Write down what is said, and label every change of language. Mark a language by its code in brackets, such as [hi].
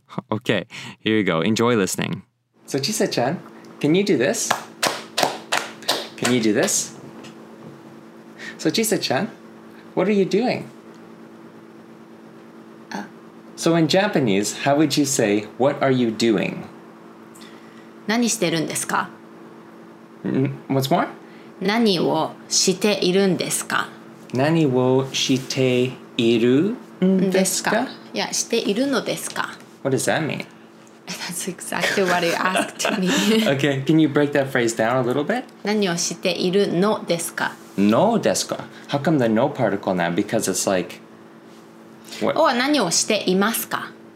[en] Okay, here you go. Enjoy listening. So Chisa-chan, can you do this? Can you do this? So Chisa-chan, what are you doing? So in Japanese, how would you say, what are you doing? [ja] 何してるんですか? [en] What's more? [ja] 何をしているんですか? 何をしているんですか? いや、しているのですか? [en] What does that mean? That's exactly what you asked me. Okay, can you break that phrase down a little bit? [ja] 何をしているのですか? のですか? [en] How come the no particle now? Because it's like... [ja] Oh, 何をしていますか?